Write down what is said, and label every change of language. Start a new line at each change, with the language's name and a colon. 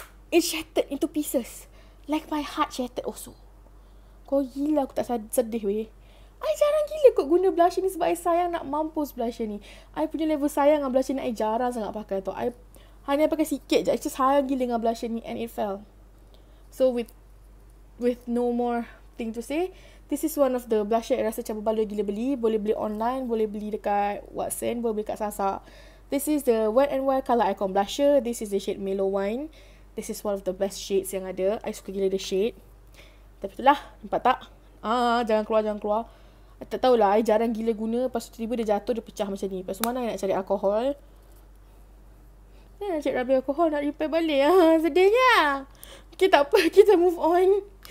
English: It shattered into pieces. Like my heart shattered also.
Malay: Oh gila, aku tak sedih weh. I jarang gila kot guna blusher ni sebab I sayang nak mampus blusher ni. I punya level sayang dengan blusher ni, I jarang sangat pakai tu. I hanya pakai sikit je.
English: I just
Malay: sayang gila dengan blusher ni
English: and it fell. So with no more thing to say, this is one of the blusher I
Malay: rasa macam berbaloi gila beli. Boleh beli online, boleh beli dekat Watson, boleh beli kat Sasa.
English: This is the Wet n Wild Color Icon Blusher. This is the shade Mellow Wine. This is one of the best shades
Malay: yang ada.
English: I
Malay: suka gila
English: the shade.
Malay: Tapi itulah, nampak tak? Jangan keluar. I tak tahulah, I jarang gila guna. Lepas tu tiba-tiba dia jatuh, dia pecah macam ni. Lepas tu mana I nak cari alkohol? Nak cari rubbing alkohol, nak repair balik. Sedihnya. Okay, tak apa. Kita
English: move on.